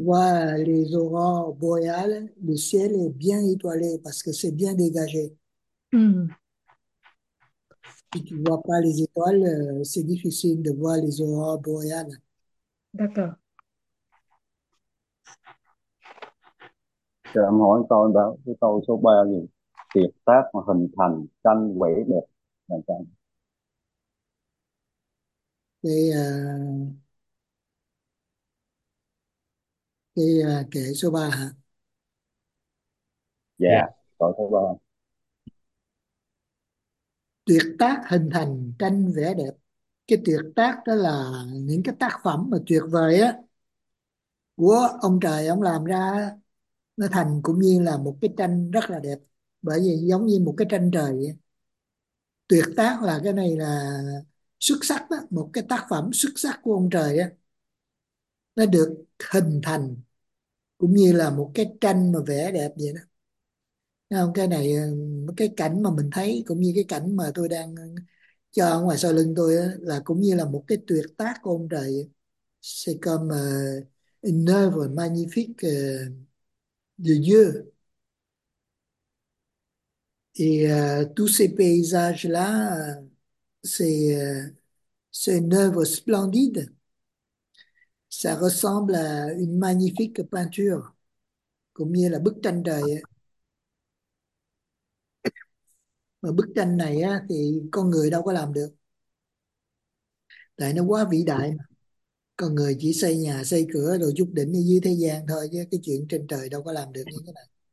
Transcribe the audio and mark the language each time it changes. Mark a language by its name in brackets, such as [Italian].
[French] vois les aurores boréales, le ciel est bien étoilé parce que c'est bien dégagé. Si tu ne vois pas les étoiles, c'est difficile de voir les aurores boréales. D'accord. [Vietnamese] Em hỏi câu đó, cái câu số 3 gì? Tuyệt tác mà hình thành tranh vẽ đẹp là sao? Cái kể số 3 hả? Dạ, [English] Yes. [Vietnamese] câu số 3. Tuyệt tác hình thành tranh vẽ đẹp. Cái tuyệt tác đó là những cái tác phẩm mà tuyệt vời á của ông trời ông làm ra, nó thành cũng như là một cái tranh rất là đẹp, bởi vì giống như một cái tranh trời vậy. Tuyệt tác là cái này là xuất sắc đó, một cái tác phẩm xuất sắc của ông trời á, nó được hình thành cũng như là một cái tranh mà vẽ đẹp vậy đó. Không, cái này cái cảnh mà mình thấy cũng như cái cảnh mà tôi đang cho ở ngoài sau lưng tôi đó, là cũng như là một cái tuyệt tác của ông trời. [French] C'est comme une œuvre magnifique de Dieu. Et tous ces paysages-là, c'est une œuvre splendide. Ça ressemble à une magnifique peinture, [Vietnamese] cũng như là bức tranh trời. Mà bức tranh này á, thì con người đâu có làm được, tại nó quá vĩ đại mà. Con người chỉ xây nhà, xây cửa, rồi chút đỉnh ở dưới thế gian thôi, chứ cái chuyện trên trời đâu có làm được như thế này.